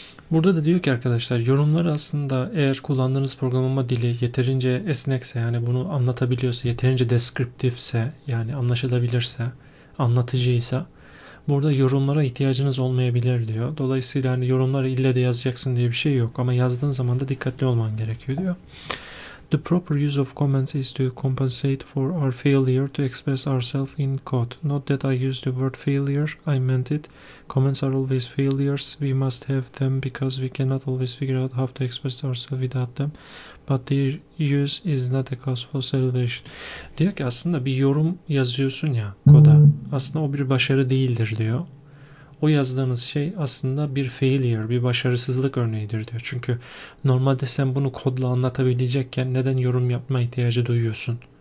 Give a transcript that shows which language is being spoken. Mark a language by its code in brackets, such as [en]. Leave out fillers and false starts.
[tr] Burada da diyor ki arkadaşlar yorumlar aslında eğer kullandığınız programlama dili yeterince esnekse yani bunu anlatabiliyorsa, yeterince deskriptifse yani anlaşılabilirse, anlatıcıysa burada yorumlara ihtiyacınız olmayabilir diyor. Dolayısıyla hani yorumları ille de yazacaksın diye bir şey yok ama yazdığın zaman da dikkatli olman gerekiyor diyor. [en] The proper use of comments is to compensate for our failure to express ourselves in code. Not that I used the word failure, I meant it. Comments are always failures. We must have them because we cannot always figure out how to express ourselves without them. But their use is not a cause for celebration. [tr] Diyor ki aslında bir yorum yazıyorsun ya koda. Aslında o bir başarı değildir diyor. O yazdığınız şey aslında bir failure, bir başarısızlık örneğidir diyor. Çünkü normalde sen bunu kodla anlatabilecekken neden yorum yapma ihtiyacı duyuyorsun?